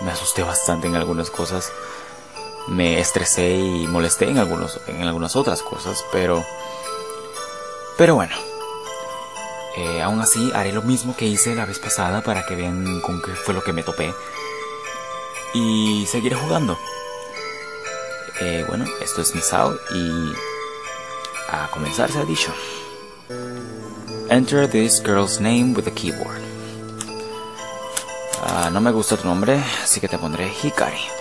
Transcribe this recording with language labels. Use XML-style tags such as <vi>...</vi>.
<es>Me asusté bastante en algunas cosas, me estresé y molesté en algunas otras cosas, pero bueno, aún así haré lo mismo que hice la vez pasada para que vean con qué fue lo que me topé y seguiré jugando. Bueno, esto es Misao y a comenzar se ha dicho.</es> <en>Enter this girl's name with a keyboard.</en> <es>No me gusta tu nombre, así que te pondré Hikari.</es>